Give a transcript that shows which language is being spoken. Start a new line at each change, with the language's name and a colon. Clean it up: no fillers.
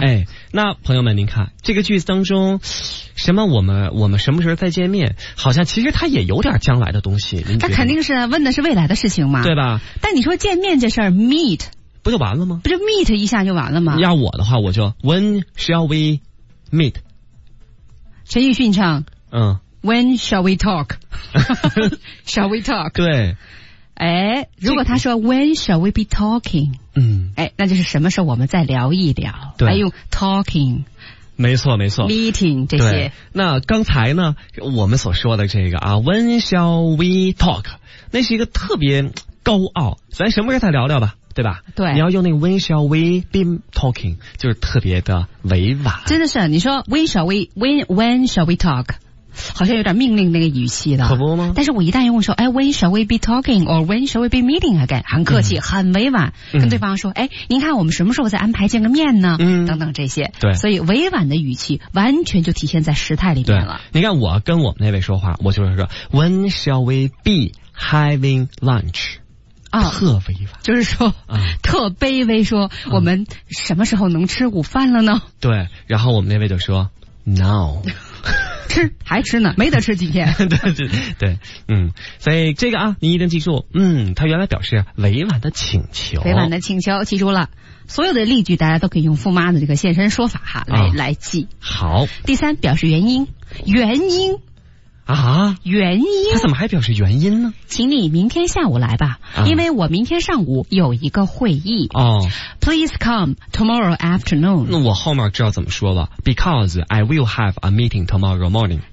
Chinese: 哎，那朋友们您看这个句子当中什么我们什么时候再见面，好像其实它也有点将来的东西。那肯定是问的是未来的事情嘛，对吧？但你说见面这事儿 meet 不就完了吗？不就 meet 一下就完了吗？要我的话我就
English: when shall we meet。
Chinese: 陈奕迅唱嗯
English: When shall we talk? Shall we talk?
Chinese: 对，哎，如果他说
English: When shall we be talking?
Chinese: 嗯，哎，那就是什么时候我们再聊一聊？对，还用 talking？没错，没错，meeting 这些。那刚才呢，我们所说的这个啊 ，
English: When shall we talk?
Chinese: 那是一个特别高傲，咱什么时候再聊聊吧。对吧？对，你要用那个
English: When shall we be talking，
Chinese: 就是特别的委婉。真的是，你说
English: When shall we talk？
Chinese: 好像有点命令那个语气的，可不吗？但是我一旦用说，哎
English: ，When shall we be talking or when shall we be meeting again？
Chinese: 很客气，嗯，很委婉，嗯，跟对方说，哎，您看我们什么时候再安排见个面呢？嗯，等等这些，对，所以委婉的语气完全就体现在时态里面了。对，你看我跟我们那位说话，我就是说 ，
English: When shall we be having lunch？
Chinese: 啊，特委婉，就是说，嗯，特卑微说，说我们什么时候能吃午饭了呢？嗯，对，然后我们那位就说 ，Now。吃还吃呢，没得吃几天。对对对，嗯，所以这个啊，你一定记住，嗯，它原来表示委婉的请求，委婉的请求，记住了。所有的例句，大家都可以用富妈的这个现身说法哈来记。好，第三，表示原因，原因啊，原因，他怎么还表示原因呢？请你明天下午来吧，啊，因为我明天上午有一个会议。哦
English: ，Please come tomorrow afternoon。
Chinese: 那我后面知道怎么说了
English: ，Because I will have a meeting tomorrow morning。